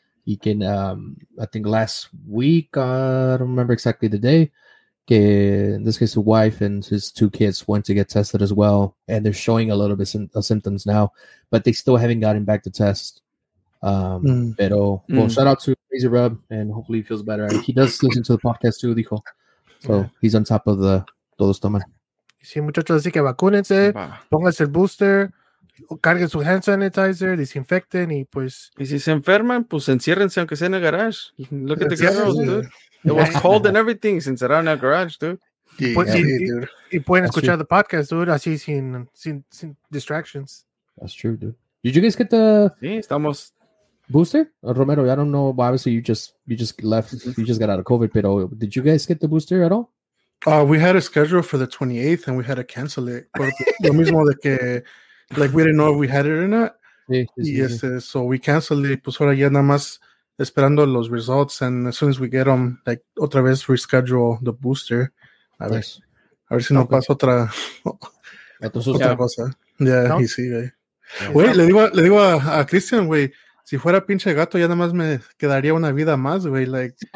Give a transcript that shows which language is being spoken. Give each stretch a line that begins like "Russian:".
English: He can, I think last week, I don't remember exactly the day, que in this case, the wife and his two kids went to get tested as well, and they're showing a little bit of symptoms now, but they still haven't gotten back the test. Shout out to Crazy Rub, and hopefully he feels better. He does listen to the podcast too, dijo. So yeah. He's on top of the todo esto, man.
Spanish: Sí, muchachos, así que vacúnense, pónganse el booster, carguen su hand sanitizer, desinfecten y pues. Y si se enferman, pues enciérrense aunque sea en el garage.
English: Look at the girls, dude. It was cold and everything.
Spanish: Se encerraron en el garage, dude. Y pueden escuchar the podcast, dude, así sin distractions.
English: That's true, dude. Did you guys get the booster? Romero, I don't know. Obviously, you just left. You just got out of COVID. But did you guys get the booster at all? We had a schedule for the 28th, and we had to cancel it.
Spanish: Lo mismo de que,
English: like, we didn't know if we had it or not. So we canceled it.
Spanish: Pues ahora ya nada más esperando los results.
English: And as soon as we get them, like,
Spanish: otra vez
English: reschedule the booster.
Spanish: A ver si no pasa otra, otra cosa. Yeah, no? Y sigue. Güey, le digo a Christian, güey, si fuera pinche gato ya nada más me quedaría una vida más, güey, like,